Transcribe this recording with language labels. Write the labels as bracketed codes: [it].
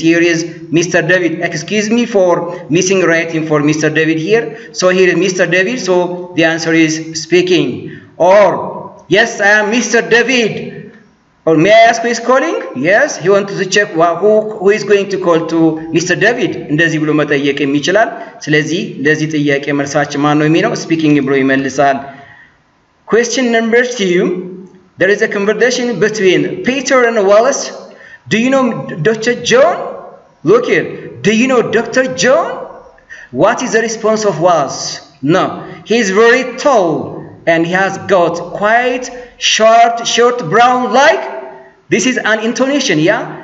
[en] Here is Mr. David. Excuse me for missing writing for Mr. David here. So here is Mr. David. So the answer is speaking. Or yes, I am Mr. David. Or may I ask who is calling? Yes, he wants to check who is going to call to Mr. [am] David. እንደዚህ ብሎ መጠየቅ የሚችላል. ስለዚህ ለዚህ ጥያቄ መልሳችን ማን ነው የሚለው speaking ብሎ ይመልሳል. [en] Question number 2. There is a conversation between Peter and Wallace. Do you know Dr. John? Look here. Do you know Dr. John? What is the response of Wallace? No. He is very tall. And he has got quite short brown, like this is an intonation, yeah.